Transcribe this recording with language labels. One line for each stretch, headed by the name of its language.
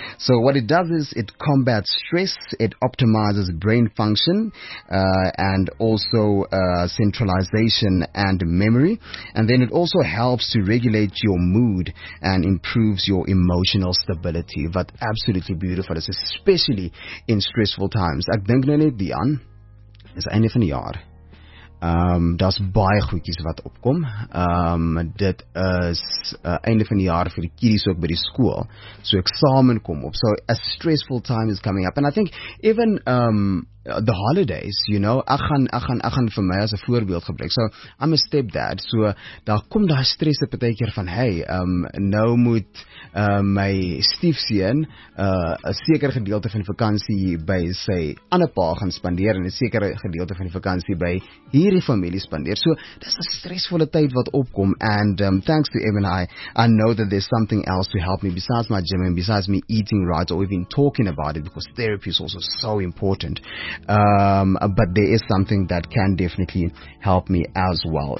English: So what it does is it combats stress, it optimizes brain function, and also centralization and memory, and then it also helps to regulate your mood and improves your emotional stability. But absolutely beautiful, especially in stressful times.
Afrikaans: Ek dink nou net, Dian, is einde van die jaar. Daar's baie goedjies wat opkom. Dit is einde van die jaar vir die kiddies ook by die skool. So eksamen kom op.
English: So a stressful time is coming up. And I think even the holidays, you know,
Afrikaans: ek gaan vir my as 'n voorbeeld gebruik.
English: So I'm a stepdad.
Afrikaans: So daar kom daar stresse partykeer van, hey, nou moet my stiefseun 'n sekere gedeelte van die vakansie by sy ander pa gaan spandeer en 'n sekere gedeelte van die vakansie by hierdie familie spandeer. So dis 'n stresvolle tyd wat opkom,
English: and thanks to M&I, I know that there's something else to help me besides my gym and besides me eating right, or even talking about it, because therapy is also so important. But there is something that can definitely help me as well.